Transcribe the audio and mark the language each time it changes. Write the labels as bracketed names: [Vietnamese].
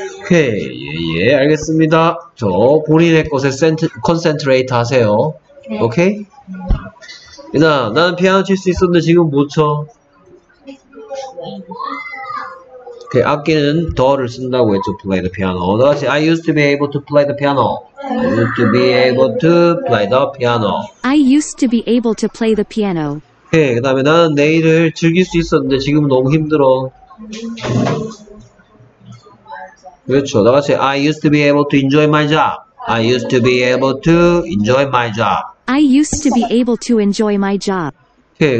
[Korean] 오케이. 예, 알겠습니다. 저 본인의 것에 컨센트레이트 하세요. 네. 오케이? 민아, 나는 피아노 칠 수 있었는데 지금 못 쳐. 그 악기는 더를 쓴다고 했죠. [English] Play the piano. [Korean] 다시 [English] I used to be able to play the piano. I used to be able to play the piano. I used to be able to play the piano. [Korean] 네, 그 다음에 나는 내일을 즐길 수 있었는데 지금은 너무 힘들어. 그렇죠. 다시 [English] I used to be able to enjoy my job. I used to be able to enjoy my job. I used to be able to enjoy my job. [Korean] 오케이.